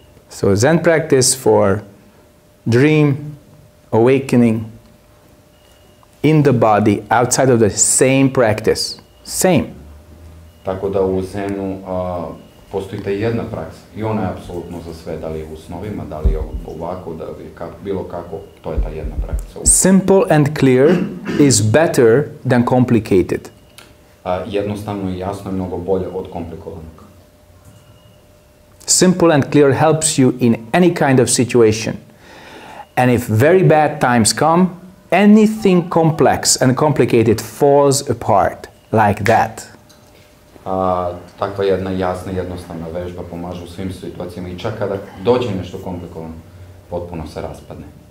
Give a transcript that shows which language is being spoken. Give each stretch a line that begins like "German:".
English: So Zen practice for dream, awakening, in the body, outside of the same practice. Same.
Serbian: Tako da u Zenu postoji ta jedna praksa I ona je apsolutno za sve, da li je u snovima, da li je ovako, da li je bilo kako, to je ta jedna praksa.
English: Simple and clear is better than complicated.
Serbian: Jednostavno I jasno je mnogo bolje od komplikovanog.
English: Simple and clear helps you in any kind of situation. And if very bad times come, anything complex and complicated falls apart like that.
Serbian: Takva jedna jasna, jednostavna vežba pomaže u svim situacijama I čak kada dođe nešto komplikovano, potpuno se raspadne.